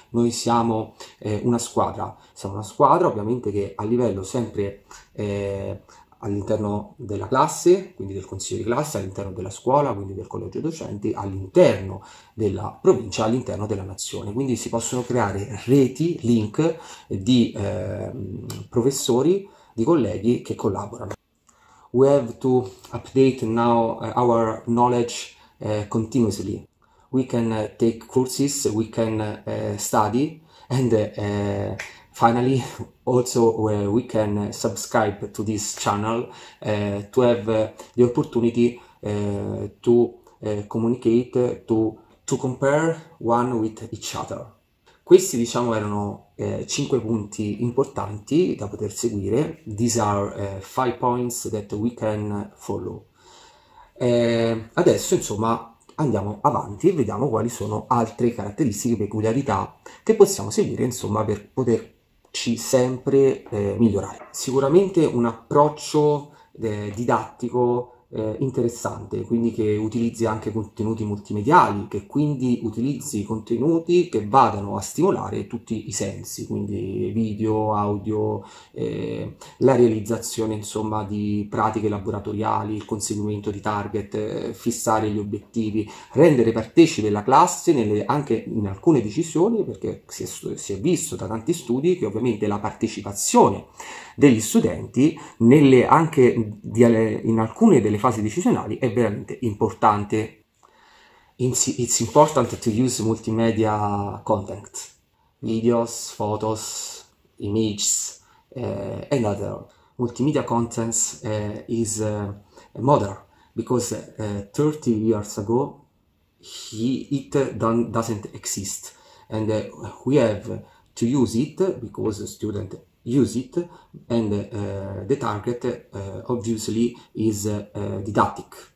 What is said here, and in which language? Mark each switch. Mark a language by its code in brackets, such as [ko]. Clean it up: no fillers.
[it] Noi siamo una squadra, siamo una squadra ovviamente che a livello sempre all'interno della classe, quindi del consiglio di classe, all'interno della scuola, quindi del collegio docenti, all'interno della provincia, all'interno della nazione. Quindi si possono creare reti, link di professori, di colleghi che collaborano. [en] We have to update now our knowledge continuously. We can take courses, we can study and finally, also we can subscribe to this channel to have the opportunity to communicate, to compare one with each other. [it] Questi, diciamo, erano 5 punti importanti da poter seguire. [en] These are 5 points that we can follow. [it] Adesso, insomma, andiamo avanti e vediamo quali sono altre caratteristiche, peculiarità che possiamo seguire, insomma, per poter sempre migliorare. Sicuramente un approccio didattico interessante, quindi che utilizzi anche contenuti multimediali, che quindi utilizzi contenuti che vadano a stimolare tutti i sensi, quindi video, audio, la realizzazione insomma di pratiche laboratoriali, il conseguimento di target, fissare gli obiettivi, rendere partecipe la classe anche in alcune decisioni, perché si è visto da tanti studi che ovviamente la partecipazione degli studenti anche in alcune delle fasi decisionali è veramente importante. [en] It's important to use multimedia content, videos, photos, images, and other multimedia contents is mother, because 30 years ago it doesn't exist, and we have to use it because student use it, and the target obviously is didactic.